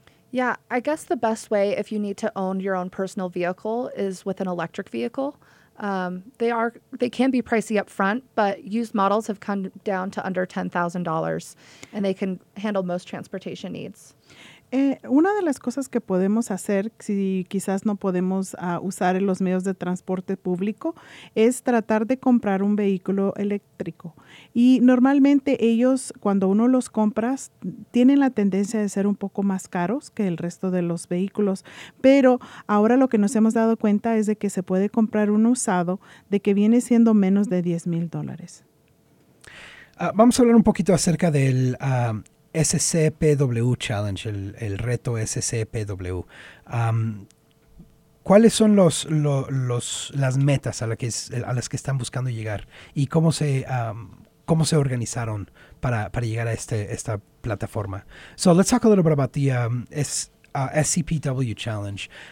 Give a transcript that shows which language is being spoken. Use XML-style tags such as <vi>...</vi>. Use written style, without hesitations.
<en>Yeah, I guess the best way if you need to own your own personal vehicle is with an electric vehicle. They can be pricey up front, but used models have come down to under $10,000 and they can handle most transportation needs.</en> <es>Una de las cosas que podemos hacer si quizás no podemos usar los medios de transporte público es tratar de comprar un vehículo eléctrico. Y normalmente ellos, cuando uno los compra, tienen la tendencia de ser un poco más caros que el resto de los vehículos. Pero ahora lo que nos hemos dado cuenta es de que se puede comprar uno usado de que viene siendo menos de $10,000. Vamos a hablar un poquito acerca del... SCPW Challenge, el reto SCPW. ¿Cuáles son las metas a las que están buscando llegar y cómo se organizaron para llegar a esta plataforma?</es> <en>So let's talk a little bit about the SCPW Challenge.</en>